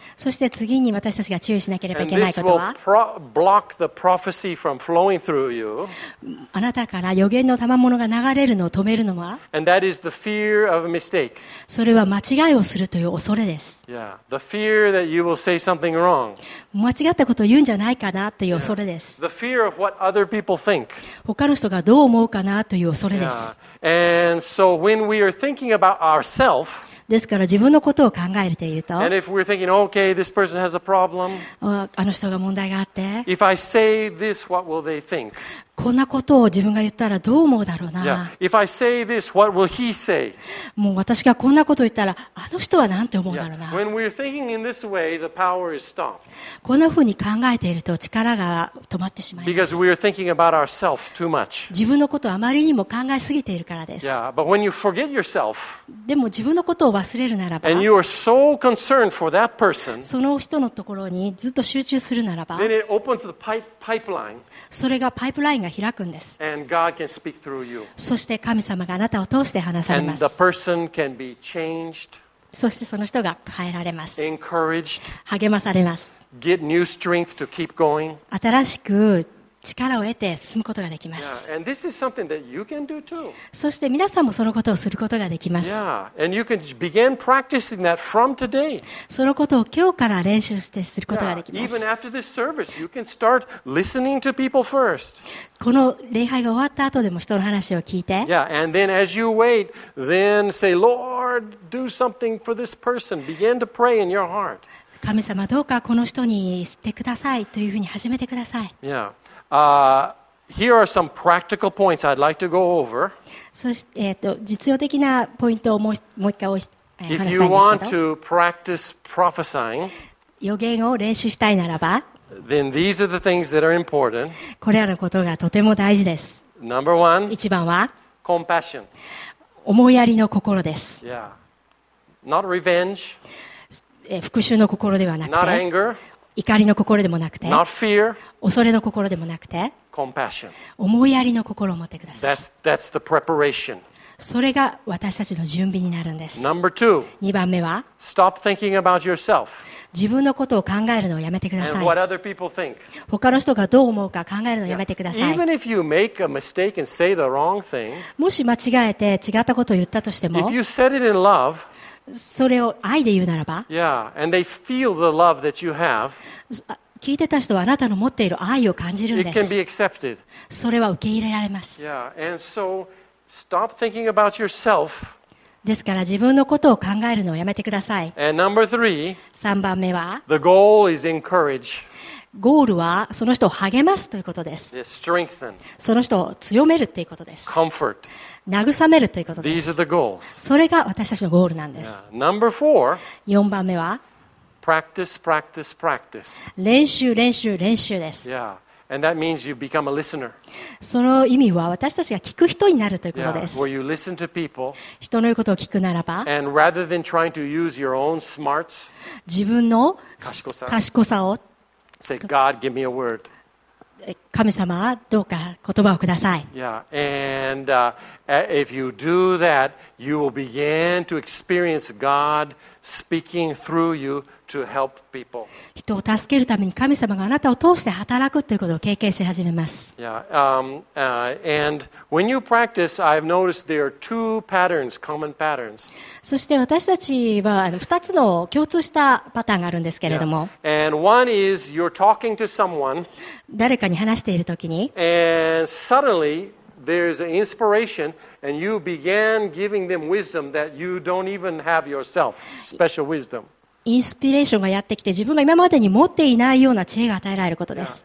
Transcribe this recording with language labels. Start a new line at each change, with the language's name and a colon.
Japanese: そして次に私たちが注意しなければいけないことは、
English: and this will block the prophecy from flowing through you.
Japanese: あなたから預言の賜物が流れるのを止めるのは、
English: and that is the fear of a mistake.
Japanese: それは間違いをするという恐れです。
English: Yeah, the fear that you will say something wrong.
Japanese: 間違ったことを言うんじゃないかなという恐れです。
English: Yeah. The fear of what other people think.
Japanese: 他の人がどう思うかなという恐れです。
English: Yeah. And so when we are thinking about ourselves.
Japanese: ですから自分のことを考えていると、
English: And if we're thinking, okay, this person has a problem,
Japanese: あの人が問題があって、
English: If I say this, what will they think?
Japanese: こんなことを自分が言ったらどう思うだろうな。
English: Yeah. If I say this, what will he say?
Japanese: もう私がこんなことを言ったらあの人は何て思うだろうな。
English: Yeah. When we're thinking in this way, the power is stopped.
Japanese: こんなふうに考えていると力が止まってしまいます。
English: Because we're thinking about ourselves too much.
Japanese: 自分のことをあまりにも考えすぎているからです。
English: Yeah. But when you forget yourself,
Japanese: でも自分のことを忘れるならば、
English: And you are so concerned for that person,
Japanese: その人のところにずっと集中するならば、
English: Then it opens the pipeline.
Japanese: それがパイプラインが開くんです。
English: And God can speak through you.
Japanese: そして神様があなたを通して話されます。
English: And the person can be changed,
Japanese: そしてその人が変えられます。
English: Encouraged,
Japanese: 励まされます。
English: Get new strength to keep going.
Japanese: 新しく力を得て進むことができます。
English: Yeah. And this is something that you can do too.
Japanese: そして皆さんもそのことをすることができます。
English: Yeah. And you can begin practicing that from today.
Japanese: そのことを今日から練習してすることができます。
English: Yeah. Even after this service, you can start listening to people first.
Japanese: この礼拝が終わった後でも人の話を聞いて、
English: Yeah. And then as you wait, then say, Lord, do something for this person. Begin to pray in your heart.
Japanese: 神様どうかこの人にしてくださいというふうに始めてください。
English: Yeah. Here are some practical points I'd like to go over.
Japanese: そして、実用的なポイントをもう一回話したいんですけど。
English: If you want to practice prophesying,
Japanese: 予言を練習したいならば、
English: then these are the things that are important.
Japanese: これらのことがとても大事です。
English: Number one,
Japanese: 一番は、
English: compassion.
Japanese: 思いやりの心です。
English: Yeah. Not revenge.
Japanese: 復讐の心ではなくて、
English: not anger.
Japanese: 怒りの心でもなくて、
English: Not fear,
Japanese: 恐れの心でもなくて、
English: Compassion.
Japanese: 思いやりの心を持ってください。
English: That's the preparation.
Japanese: それが私たちの準備になるんです。
English: Number two,
Japanese: 2番目は、
English: Stop thinking about yourself.
Japanese: 自分のことを考えるのをやめてください。
English: And what other people think.
Japanese: 他の人がどう思うか考えるのをやめてください。
English: Even if you make a mistake and say the wrong thing,
Japanese: もし間違えて違ったことを言ったとしても、
English: If you said it in love,
Japanese: それを愛で言うならば、
English: yeah, and they feel the love that you have,
Japanese: 聞いてた人はあなたの持っている愛を感じるんです。
English: It can be accepted.
Japanese: それは受け入れられます。
English: Yeah, and so, stop thinking about yourself.
Japanese: ですから自分のことを考えるのをやめてください。
English: And number three,
Japanese: 3番目は、
English: the goal is encourage.
Japanese: ゴールはその人を励ますということです。
English: Strengthen.
Japanese: その人を強めるということです。
English: Comfort.
Japanese: 慰めるということです。
English: These are the goals.
Japanese: それが私たちのゴールなんです。
English: Yeah. Number four,
Japanese: 4番目は、
English: practice, practice, practice.
Japanese: 練習、練習、練習です。
English: Yeah. And that means you become a listener.
Japanese: その意味は私たちが聞く人になるということです。
English: Yeah. Where you listen to people,
Japanese: 人の言うことを聞くならば、
English: and rather than trying to use your own smarts,
Japanese: 自分の賢さを、
English: say, God, give me a word.
Japanese: 神様はどうか言葉をください。
English: Yeah. And, if you do that, you will begin to experience God speaking through you to help people.
Japanese: 人を助けるために神様があなたを通して働くということを経験し始めます。
English: Yeah. And when you practice, I've noticed there are two patterns, common patterns.
Japanese: そして私たちは2つの共通したパターンがあるんですけれども。
English: Yeah. And one is you're talking to someone.
Japanese: 誰かに話している時に。
English: And suddenly,There's an inspiration, and you began giving them wisdom that you don't even have yourself, special wisdom.
Japanese: インスピレーションがやってきて、自分が今までに持っていないような知恵が与えられることです。